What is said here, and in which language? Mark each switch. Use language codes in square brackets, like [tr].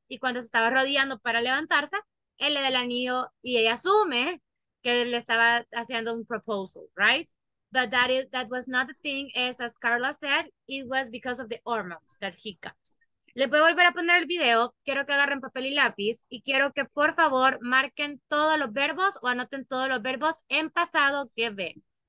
[es] Y cuando se estaba rodeando para levantarse, él le da el anillo y ella asume que le estaba haciendo un proposal, right? [en] But that was not the thing, as Carla said, it was because of the hormones that he got. [es] Le voy a volver a poner el video, quiero que agarren papel y lápiz, y quiero que por favor marquen todos los verbos o anoten todos los verbos en pasado que ven.